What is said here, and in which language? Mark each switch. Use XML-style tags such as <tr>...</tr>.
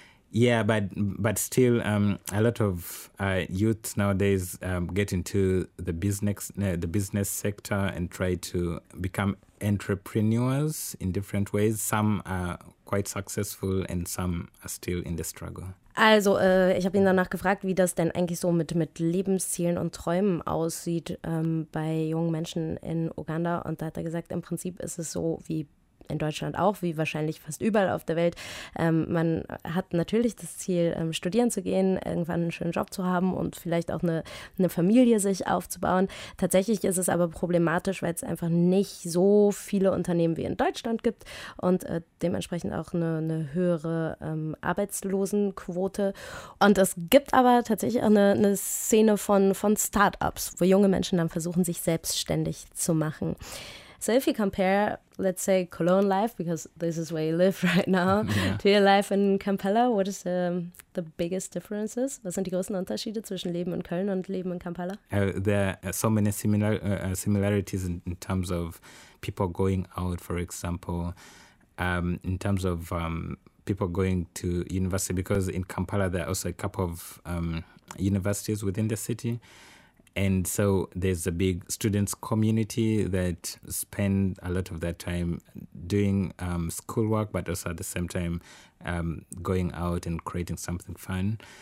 <en>Yeah, but still, a lot of youths nowadays get into the business sector and try to become entrepreneurs in different ways. Some are quite successful and some are still in the struggle.</en> <de>Also, ich habe ihn danach gefragt, wie das denn eigentlich so mit Lebenszielen und Träumen aussieht bei jungen Menschen in Uganda. Und da hat er gesagt, im Prinzip ist es so wie in Deutschland auch, wie wahrscheinlich fast überall auf der Welt. Man hat natürlich das Ziel, studieren zu gehen, irgendwann einen schönen Job zu haben und vielleicht auch eine Familie sich aufzubauen. Tatsächlich ist es aber problematisch, weil es einfach nicht so viele Unternehmen wie in Deutschland gibt und dementsprechend auch eine höhere Arbeitslosenquote. Und es gibt aber tatsächlich auch eine Szene von Startups, wo junge Menschen dann versuchen, sich selbstständig zu machen.</de> <en>So if you compare, let's say, Cologne life, because this is where you live right now, yeah, to your life in Kampala, what is the biggest differences?</en> <de>Was sind die größten Unterschiede zwischen Leben in Köln und Leben in Kampala?</de> <en>There are so many similarities in terms of people going out, for example, in terms of people going to university, because in Kampala there are also a couple of universities within the city. And so there's a big students community that spend a lot of their time doing schoolwork, but also at the same time going out and creating something fun.</en>